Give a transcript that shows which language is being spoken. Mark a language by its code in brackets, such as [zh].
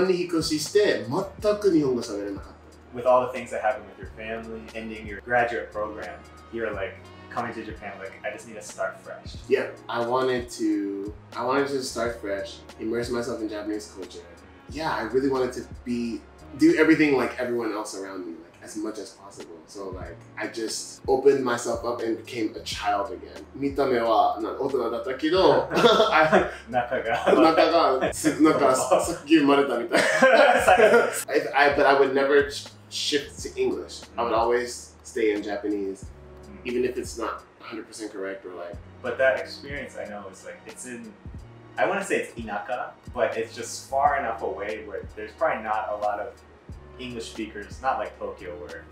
[ja] 全くその、なんか、日本に引っ越しして、全く日本語喋れなかった。 [en] With all the things that happened with your family, ending your graduate program, you're like coming to Japan, like, I just need to start fresh. Yeah, I wanted to start fresh, immerse myself in Japanese culture. Yeah, I really wanted to be... do everything like everyone else around me, like as much as possible. So like, I just opened myself up and became a child again. [ja] 見た目は大人だったけど、中が、中が、なんかさっき生まれたみたい。 [en] But I would never shift to English. I would always stay in Japanese, even if it's not 100% correct or like. But that experience, I know, is like, it's in, I want to say it's Inaka, but it's just far enough away where there's probably not a lot of English speakers, not like Tokyo where